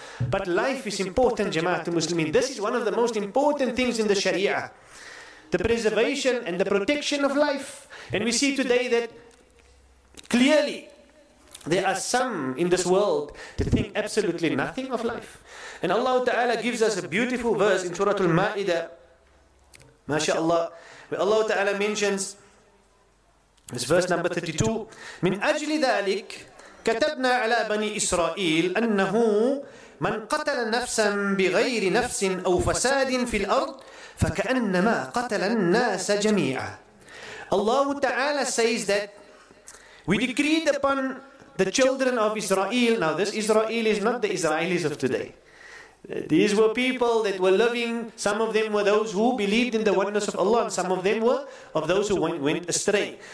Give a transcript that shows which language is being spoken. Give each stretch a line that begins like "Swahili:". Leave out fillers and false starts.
English: But life is important, Jama'at Muslimin. This is one of the most important things in the Sharia. The preservation and the protection of life. And we see today that clearly there are some in this world that think absolutely nothing of life. And Allah Ta'ala gives us a beautiful verse in Surah Al-Ma'idah, MashaAllah, where Allah Ta'ala mentions, this verse number 32,
Arabic: مِنْ أَجْلِ ذَلِكَ كَتَبْنَا عَلَى بَنِي إِسْرَائِيلَ أَنَّهُ مَنْ قَتَلَ نَفْسًا بِغَيْرِ نَفْسٍ أَوْ فَسَادٍ فِي الْأَرْضِ فَكَأَنَّمَا قَتَلَ النَّاسَ جَمِيعًا.
English: Allah Ta'ala says that we decreed upon the children of Israel. Now this Israel is not the Israelis of today. These were people that were living. Some of them were those who believed in the oneness of Allah. And some of them were of those who went astray.